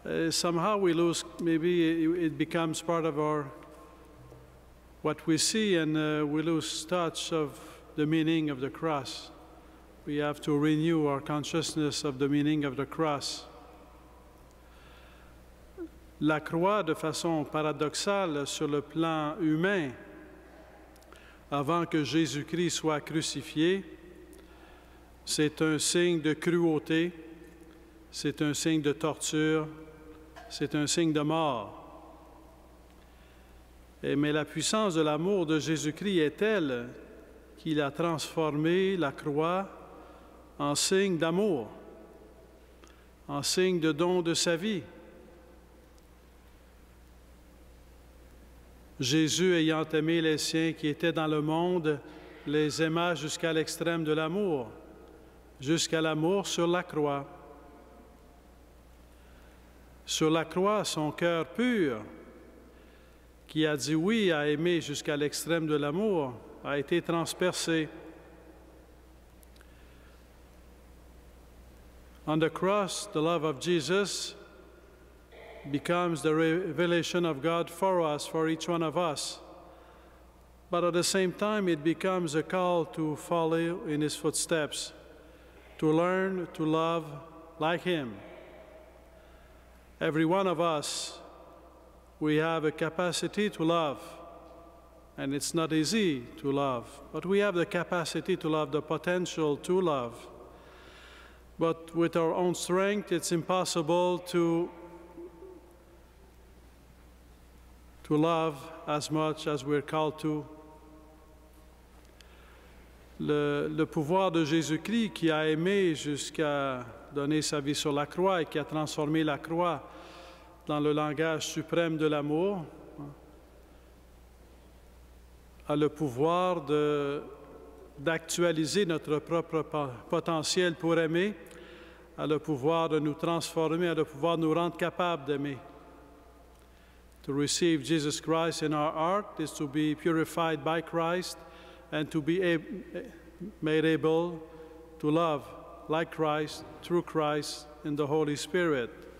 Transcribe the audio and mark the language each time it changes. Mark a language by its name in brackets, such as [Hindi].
[English] Somehow we lose, maybe it becomes part of our what we see, and we lose touch of the meaning of the cross. We have to renew our consciousness of the meaning of the cross. [French] La croix, de façon paradoxale sur le plan humain, avant que Jésus-Christ soit crucifié, c'est un signe de cruauté, c'est un signe de torture, c'est un signe de mort. Mais la puissance de l'amour de Jésus-Christ est telle qu'il a transformé la croix en signe d'amour, en signe de don de sa vie. Jésus, ayant aimé les siens qui étaient dans le monde, les aima jusqu'à l'extrême de l'amour, jusqu'à l'amour sur la croix. Sur la croix, son cœur pur, qui a dit oui à aimer jusqu'à l'extrême de l'amour, a été transpercé. [English] On the cross, the love of Jesus becomes the revelation of God for us, for each one of us. But at the same time, it becomes a call to follow in his footsteps, to learn to love like him. Every one of us, we have a capacity to love, and it's not easy to love, but we have the capacity to love, the potential to love. But with our own strength, it's impossible to love as much as we're called to. [French] Le pouvoir de Jésus-Christ qui a aimé jusqu'à donner sa vie sur la croix et qui a transformé la croix dans le langage suprême de l'amour, a le pouvoir d'actualiser notre propre potentiel pour aimer, a le pouvoir de nous transformer, a le pouvoir de nous rendre capables d'aimer. [English] To receive Jesus Christ in our heart is to be purified by Christ and to be made able to love like Christ, through Christ, in the Holy Spirit.